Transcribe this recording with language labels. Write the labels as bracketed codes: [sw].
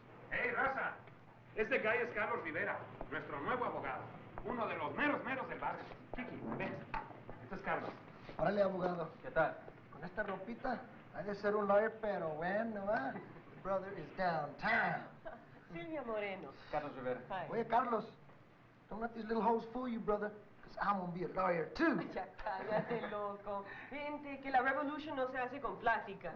[es] ¡Hey, raza! Este guy es Carlos Rivera, nuestro nuevo abogado. Uno de los meros meros del barrio. Chiqui, ven. Este es Carlos. Órale, abogado. ¿Qué tal? Con esta ropita, hay de ser un lawyer, pero bueno, ¿eh? [en] The brother is downtown. Silvia Moreno. Carlos Rivera. Hi. Oye, Carlos, don't let these little hoes fool you, brother. I'm gonna be a lawyer too. [es] Ya cállate, loco. Vente, que la revolución no se hace con pláticas.